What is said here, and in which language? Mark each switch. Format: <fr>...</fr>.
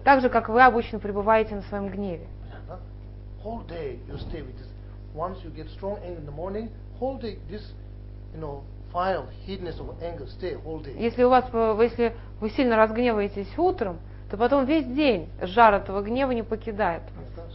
<ru>Так же, как вы обычно пребываете на своем гневе.</ru> <en>Whole day you stay with this. Once you get strong anger in the morning, whole day this, you know, fire, heatness of anger stay whole day.</en> <ru>Если вы сильно разгневаетесь утром, то потом весь день жар этого гнева не покидает вас.</ru>